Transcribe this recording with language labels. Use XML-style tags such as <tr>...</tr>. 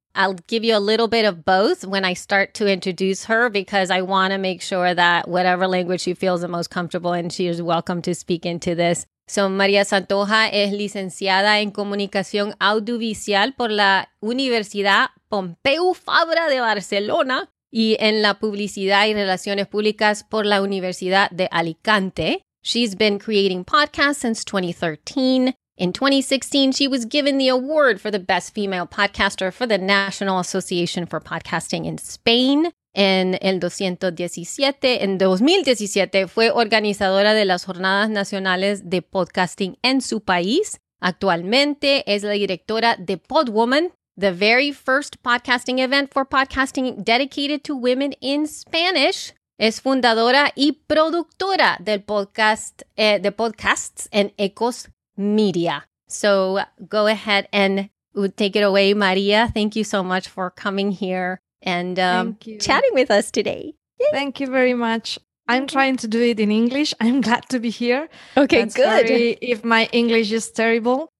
<en>I'll give you a little bit of both when I start to introduce her, because I want to make sure that whatever language she feels the most comfortable in, she is welcome to speak into this.</en> <es>So María Santoja es licenciada en Comunicación Audiovisual por la Universidad Pompeu Fabra de Barcelona y en la Publicidad y Relaciones Públicas por la Universidad de Alicante.</es> <en>She's been creating podcasts since 2013. In 2016, she was given the award for the best female podcaster for the National Association for Podcasting in Spain.</en> <es>En el 2017, fue organizadora de las Jornadas Nacionales de Podcasting en su país. Actualmente es la directora de Podwoman,</es> <en>the very first podcasting event for podcasting dedicated to women in Spanish.</en> <es>Es fundadora y productora del podcast, de podcasts en Ecos Media.</es> <en>So go ahead and take it away, Maria. Thank you so much for coming here and chatting with us today. Yay. Thank you very much. I'm trying to do it in English. I'm glad to be here. Okay, and good. Sorry if my English is terrible.</en>